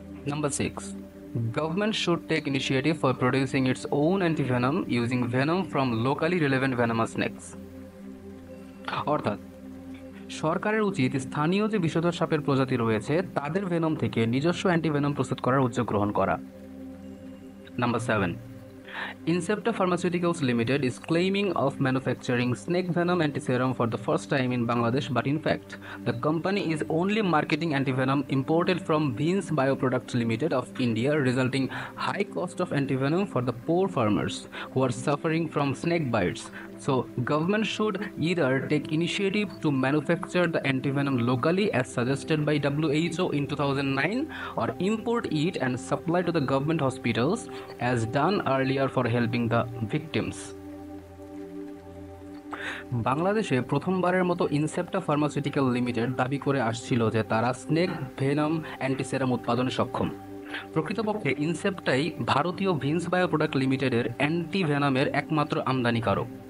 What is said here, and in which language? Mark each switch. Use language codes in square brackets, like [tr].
[en] Number six, government should take initiative for producing its own antivenom using venom from locally relevant venomous snakes. [bn] অর্থাৎ সরকারের উচিত স্থানীয় যে বিষধর সাপের প্রজাতি রয়েছে তাদের ভেনম থেকে নিজস্ব অ্যান্টিভেনম প্রস্তুত করার উদ্যোগ গ্রহণ করা। [en] Number 7. Incepta Pharmaceuticals Limited is claiming of manufacturing snake venom antiserum for the first time in Bangladesh, but in fact, the company is only marketing antivenom imported from Beans Bioproducts Limited of India, resulting high cost of antivenom for the poor farmers who are suffering from snake bites. So, government should either take initiative to manufacture the antivenom locally as suggested by WHO in 2009 or import it and supply to the government hospitals as done earlier for helping the victims. [bn] বাংলাদেশে প্রথমবারের মতো Incepta pharmaceutical limited দাবি করে আসছিল যে তারা snake venom অ্যান্টিসেরাম উৎপাদনে সক্ষম। প্রকৃতপক্ষে ইনসেপ্টাই ভারতীয় ভিন্স বায়োপ্রোডাক্ট লিমিটেডের অ্যান্টিভেনামের একমাত্র আমদানিকারক।